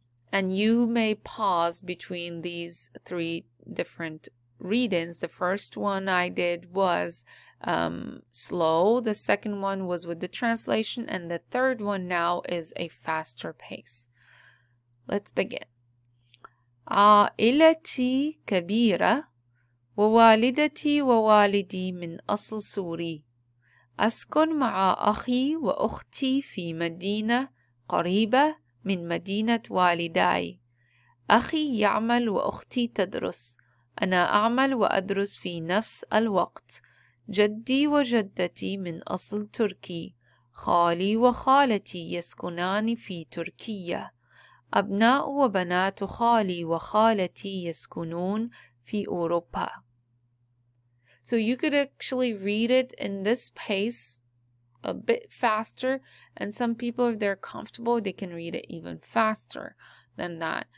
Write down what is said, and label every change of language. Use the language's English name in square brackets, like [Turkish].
[English] And you may pause between these three different readings. The first one I did was slow. The second one was with the translation. And the third one now is a faster pace. Let's begin. [Arabic] عائلتي كبيرة ووالدتي ووالدي من أصل سوري. أسكن مع أخي وأختي في مدينة قريبة من مدينة والداي. أخي يعمل وأختي تدرس. أنا أعمل وأدرس في نفس الوقت. جدي وجدتي من أصل تركي. خالي وخالتي يسكنان في تركيا. أبناء وبنات خالي وخالتي يسكنون في أوروبا. [English] So you could actually read it in this pace a bit faster, and some people, if they're comfortable, they can read it even faster than that.